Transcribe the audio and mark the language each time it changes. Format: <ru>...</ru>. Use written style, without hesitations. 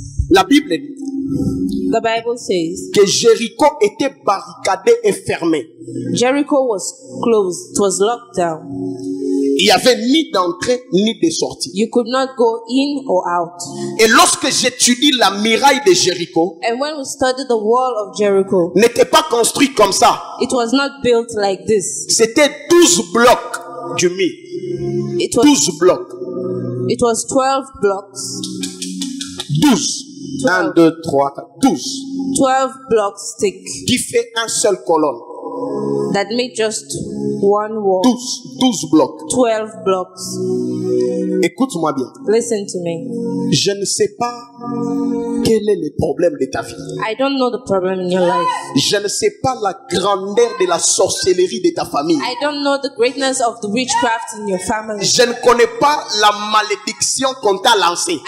<fr>La Bible dit.</fr> <en>The Bible says</en> <fr>que Jéricho était barricadé et fermé.</fr> <en>Jericho was closed, it was locked down.</en> <fr>Il n'y avait ni d'entrée ni de sortie.</fr> <en>You could not go in or out.</en> <fr>Et lorsque j'étudie la muraille de Jéricho,</fr> <en>and when we studied the wall of Jericho,</en> <fr>n'était pas construit comme ça.</fr> <en>It was not built like this.</en> <fr>C'était 12 blocs du mur.</fr> <en>It was</en> <fr>12 blocs.</fr> <en>It was 12 blocks. 12. 1, 2, 3, 12. 12 blocs thick.</en> <fr>Qui fait un seul colonne.</fr> <en>That made just one wall.</en> <fr>12 blocs.</fr> <en>12 blocks.</en> <fr>Écoute-moi bien.</fr> <en>Listen to me.</en> <fr>Je ne sais pas quel est le problème de ta vie.</fr> <en>I don't know the problem in your life.</en> <fr>Je ne sais pas la grandeur de la sorcellerie de ta famille.</fr> <en>I don't know the greatness of the witchcraft in your family.</en> <fr>Je ne connais pas la malédiction qu'on t'a lancée.</fr>